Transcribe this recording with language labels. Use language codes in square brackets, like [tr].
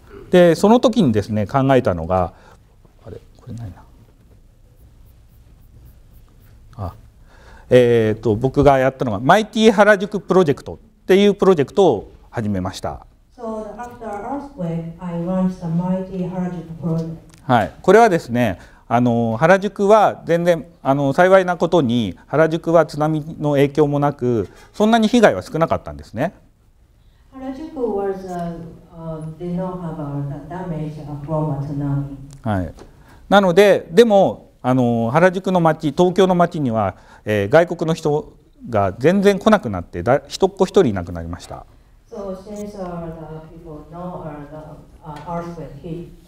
[ja] で、その時にですね、考えたのが、あれ、これないな。あ、僕がやったのが、マイティ原宿プロジェクトっていうプロジェクトを始めました。 [en] So after earthquake, I launched the Mighty Harajuku Project. [ja] はい。これはですね、原宿は全然幸いなことに原宿は津波の影響もなく、そんなに被害は少なかったんですね。 [en] 原宿は did not have a damage from a tsunami。 [ja] はい。なのででも原宿の街、東京の街には、外国の人が全然来なくなって、だ一っ子一人いなくなりました。 [en] So since the people know the earthquake hit.